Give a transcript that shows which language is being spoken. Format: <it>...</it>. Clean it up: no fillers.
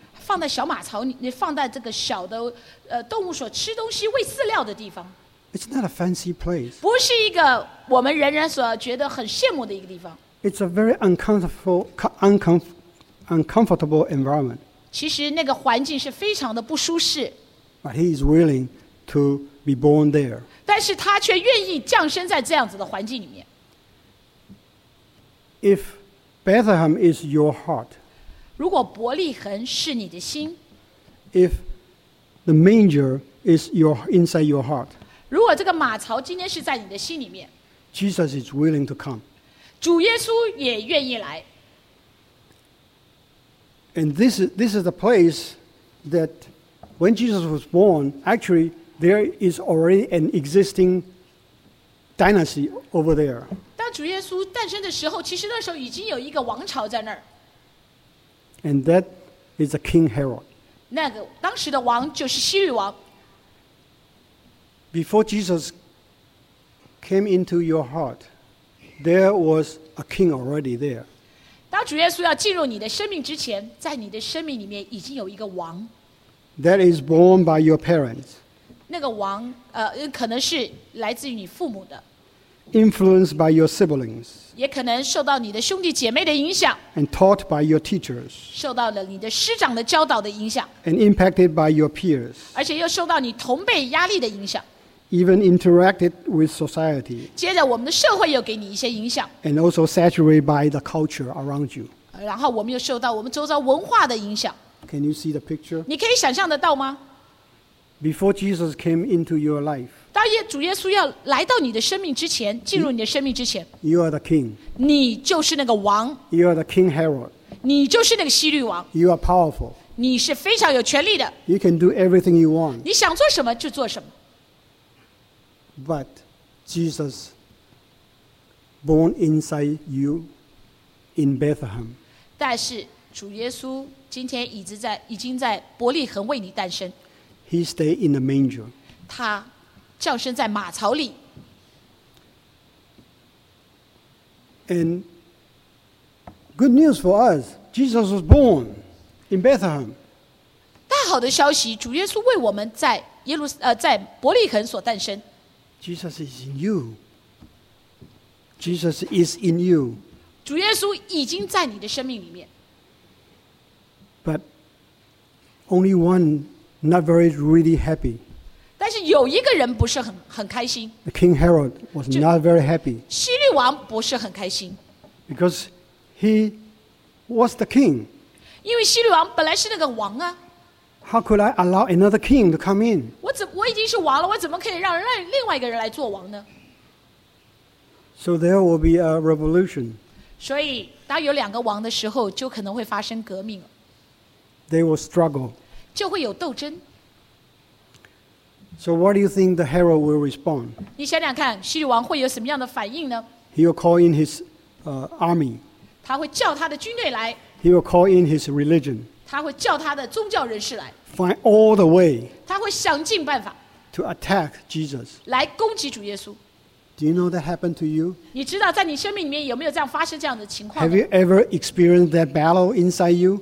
<zh>放在小马槽里放在这个小的动物所吃东西喂饲料的地方</zh> <en>It's not a fancy place</en> <zh>不是一个我们人人所觉得很羡慕的一个地方</zh> <en>It's a very uncomfortable environment</en> <zh>其实那个环境是非常的不舒适</zh> <en>But he is willing to be born there</en> <zh>但是他却愿意降生在这样子的环境里面</zh> <en>If Bethlehem is your heart,</en> <zh>如果伯利恒是你的心</zh> <en>if the manger is inside your heart,</en> <zh>如果这个马槽今天是在你的心里面</zh> <en>Jesus is willing to come.</en> <zh>主耶稣也愿意来</zh> <en>And this is the place that when Jesus was born, actually there is already an existing dynasty over there.</en> <zh>主耶稣诞生的时候，其实那时候已经有一个王朝在那儿。</zh> <en>And that is a King Herod.</en> <zh>那个当时的王就是希律王。</zh> <en>Before Jesus came into your heart, there was a king already there.</en> <zh>当主耶稣要进入你的生命之前，在你的生命里面已经有一个王。</zh> <en>That is born by your parents.</en> <zh>那个王，可能是来自于你父母的。</zh> <en>Influenced by your siblings,</en> <zh>也可能受到你的兄弟姐妹的影响</zh> <en>and taught by your teachers,</en> <zh>受到了你的师长的教导的影响</zh> <en>and impacted by your peers,</en> <zh>而且又受到你同辈压力的影响</zh> <en>even interacted with society,</en> <zh>接着我们的社会又给你一些影响</zh> <en>and also saturated by the culture around you,</en> <zh>然后我们又受到我们周遭文化的影响</zh> <en>Can you see the picture?</en> <zh>你可以想象得到吗</zh> <en>Before Jesus came into your life,</en> <zh>当主耶稣要来到你的生命之前，进入你的生命之前</zh> <en>，You are the king.</en> <zh>你就是那个王。</zh> <en>You are the King Herod.</en> <zh>你就是那个希律王。</zh> <en>You are powerful.</en> <zh>你是非常有权力的。</zh> <en>You can do everything you want.</en> <zh>你想做什么就做什么。</zh> <en>But Jesus born inside you in Bethlehem.</en> <zh>但是主耶稣今天已经在伯利恒为你诞生。</zh> <en>He stayed in the manger.</en> <zh>他降生在马槽里。</zh> <en>And good news for us, Jesus was born in Bethlehem.</en> <zh>大好的消息，主耶稣为我们在耶路在伯利恒所诞生。</zh> <en>Jesus is in you. Jesus is in you.</en> <zh>主耶稣已经在你的生命里面。</zh> <en>But only one not very really happy.</en> <zh>但是有一个人不是很开心。</zh> <en>King Herod was not very happy.</en> <zh>希律王不是很开心。</zh> <en>Because he was the king.</en> <zh>因为希律王本来是那个王啊。</zh> <en>How could I allow another king to come in?</en> <zh>我已经是王了，我怎么可以让另外一个人来做王呢？</zh> <en>So there will be a revolution.</en> <zh>所以当有两个王的时候，就可能会发生革命。</zh> <en>They will struggle.</en> <zh>就会有斗争。</zh> <en>So what do you think the Herod will respond?</en> <zh>你想想看，希律王会有什么样的反应呢？</zh> <en>He will call in his army.</en> <zh>他会叫他的军队来。</zh> <en>He will call in his religion.</en> <zh>他会叫他的宗教人士来</zh> <en>find all the way</en> <zh>他会想尽办法</zh> <en>to attack Jesus</en> <zh>来攻击主耶稣</zh> <en>Do you know that happened to you?</en> <zh>你知道在你生命里面有没有这样发生这样的情况</zh> <en>Have you ever experienced that battle inside you?</en>